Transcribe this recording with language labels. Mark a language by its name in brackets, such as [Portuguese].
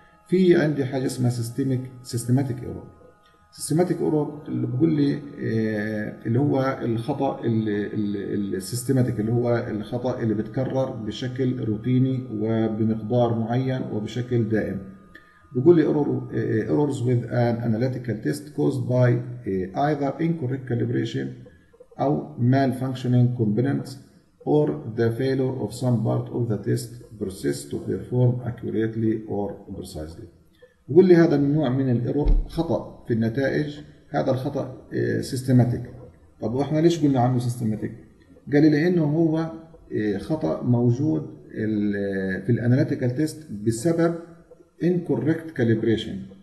[Arabic] في عندي حاجة اسمها سيستماتيك إيرور. سيستماتيك إيرور اللي بقول لي اللي هو الخطأ السيستماتيك، اللي هو الخطأ اللي بتكرر بشكل روتيني وبمقدار معين وبشكل دائم. بقول لي [English] errors with an analytical test caused by either incorrect calibration أو malfunctioning components or the failure of some part of the test process to perform accurately or precisely. [Arabic] بقول لي هذا النوع من الايرور، خطأ في النتائج، هذا الخطأ systematic. طب وإحنا ليش قلنا عنه systematic؟ قال لي إنه هو خطأ موجود في الانالتيكال تيست بسبب [English] incorrect calibration.